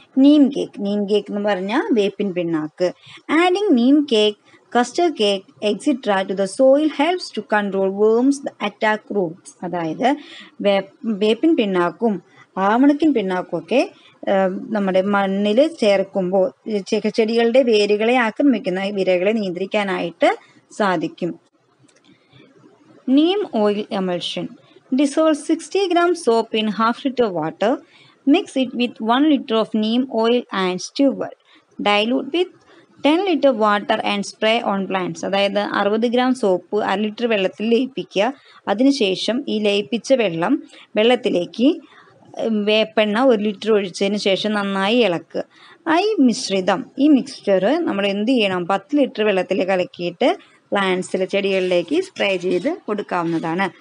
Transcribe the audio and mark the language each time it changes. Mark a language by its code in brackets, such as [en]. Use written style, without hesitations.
[ml] Neem cake, Neem cake എന്ന് പറഞ്ഞാൽ വേപ്പിൻ പിണ്ണാക്ക്. [en] adding neem cake, castor cake extra to the soil helps to control worms the attack roots, [ml] അതായത് വേപ്പിൻ പിണ്ണാക്കും ആവണക്കിൻ പിണ്ണാക്കും ഒക്കെ നമ്മുടെ മണ്ണിൽ ചേർക്കുമ്പോൾ ചെടികളുടെ വേരുകളെ ആക്രമിക്കുന്ന വിരകളെ നിയന്ത്രിക്കാനായിട്ട് സാധിക്കും. [en] Neem oil emulsion. Dissolve 60 grams soap in 1/2 liter water. Mix it with 1 liter of neem oil and stir well. Dilute with 10 liter water and spray on plants. [ml] അതായത് 60 grams സോപ്പ് 1 liter വെള്ളത്തിൽ ലയിപ്പിക്കുക. അതിനുശേഷം ഈ ലയിപ്പിച്ച വെള്ളം വെള്ളത്തിലേക്ക് വേപ്പെണ്ണ 1 liter ഒഴിച്ചതിന് ശേഷം നന്നായി ഇളക്കുക. ഈ മിശ്രിതം, ഈ മിക്സ്ചർ നമ്മൾ എന്ത് ചെയ്യണം, 10 liter വെള്ളത്തിൽ കലക്കിയിട്ട് പ്ലാന്റ്സിലെ ചെടികളിലേക്ക് സ്പ്രേ ചെയ്ത് കൊടുക്കാവുന്നതാണ്.